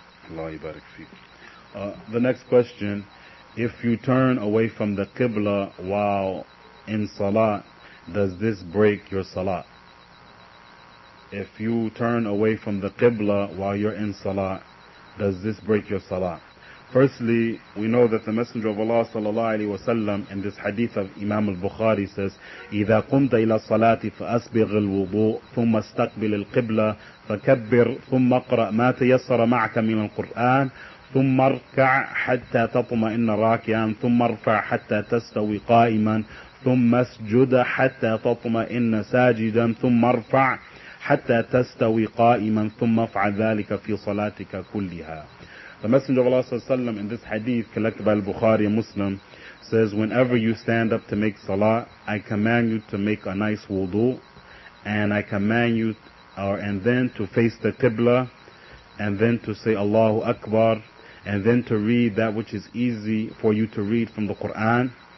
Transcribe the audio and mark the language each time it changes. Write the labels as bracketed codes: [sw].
[ar] Allah yabarak fi. [en] The next question, if you turn away from the Qibla while in Salat, does this break your Salat? If you turn away from the Qibla while you're in Salat, does this break your Salat? Firstly, we know that the Messenger of Allah sallallahu alayhi wa sallam in this hadith of Imam al-Bukhari says, [ar] إِذَا قُمْتَ إِلَى الصَّلَاةِ فَأَسْبِغِ الْوُضُوءِ ثُمَّ اسْتَقْبِلِ الْقِبْلَةِ فَكَبِّرْ ثُمَّ اقْرَأْ مَا تَيَسَّرَ مَعْكَ مِنَ الْقُرْآنِ ثم اركع حتى تطمئن راكعا ثم ارفع حتى تستوي قائما ثم اسجد حتى تطمئن ساجدا ثم ارفع حتى تستوي قائما ثم افعل ذلك في صلاتك كلها. [en] The Messenger of Allah sallallahu alaihi wasallam in this hadith collected by al-Bukhari and Muslim says, whenever you stand up to make salah, I command you to make a nice wudu, and I command you and then to face the Qibla, and then to say Allahu Akbar, and then to read that which is easy for you to read from the Qur'an,